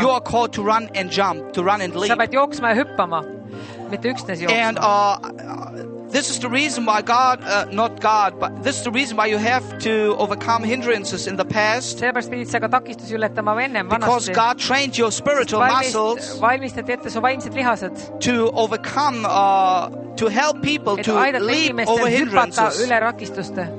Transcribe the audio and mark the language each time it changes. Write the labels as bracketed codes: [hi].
[en] You are called to run and jump, to run and leap. [et] Sa pead jooksma ja hüppama, mitte üksnes jooksma. [en] And this is the reason why God, not God, but this is the reason why you have to overcome hindrances in the past. Because God trained your spiritual muscles to overcome, to help people to leap over hindrances.